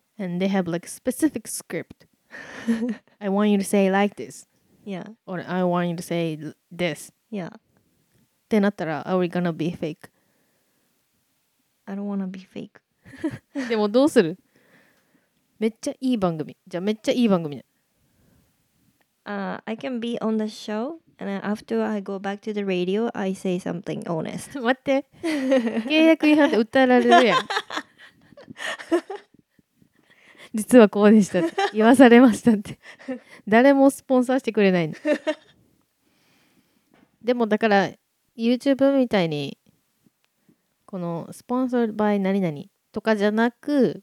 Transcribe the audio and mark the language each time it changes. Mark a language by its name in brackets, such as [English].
[English] and they have like specific script. I want you to say like this. Yeah, or I want you to say this. Yeah. [Japanese] ってなったら、 [English] are we gonna be fake? I don't wanna be fake. [Japanese] でもどうする？めっちゃいい番組。じゃあめっちゃいい番組ね。 [English] I can be on the show and then after I go back to the radio, I say something honest. [Japanese] 待って。契約違反で訴えられるやん。実はこうでしたって。言わされましたって。誰もスポンサーしてくれないんだ。でもだから YouTube みたいにこのスポンサーバイ何々とかじゃなく、